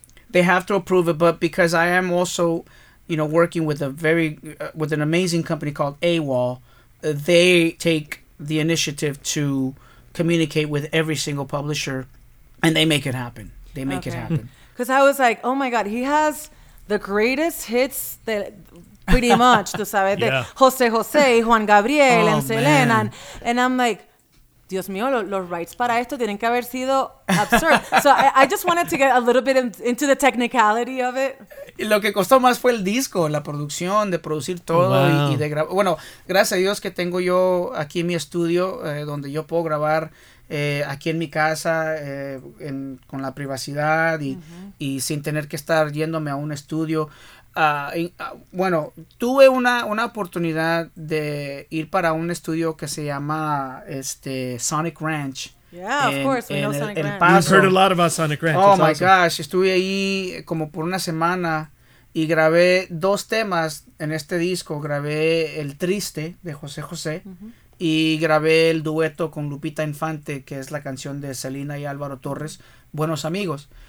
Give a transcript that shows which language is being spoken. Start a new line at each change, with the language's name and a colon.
English: They have to approve it, but because I am also, you know, working with a very, with an amazing company called AWOL, they take the initiative to communicate with every single publisher, and they make it happen. They make it happen. Because I was like, oh my God, he has the greatest hits that pretty much,
Spanish: tú sabes,
English: yeah. Jose Jose, Juan Gabriel, oh, and Selena. And I'm like,
Spanish: Dios mío, los rights para esto tienen que haber sido absurd.
English: So I just wanted to get a little bit into the technicality of it.
Spanish: Lo que costó más fue el disco, la producción, de producir todo. Wow. Y de grabar. Bueno, gracias a Dios que tengo yo aquí en mi estudio, donde yo puedo grabar aquí en mi casa, con la privacidad y, y sin tener que estar yéndome a un estudio. Bueno, tuve una oportunidad de ir para un estudio que se llama Sonic Ranch.
English: Yeah, of course, we know Sonic Ranch. We've heard a lot about Sonic Ranch. Oh my gosh,
Spanish: estuve ahí como por una semana y grabé dos temas en este disco. Grabé El Triste de José José y grabé el dueto con Lupita Infante, que es la canción de Selena y Álvaro Torres, Buenos Amigos.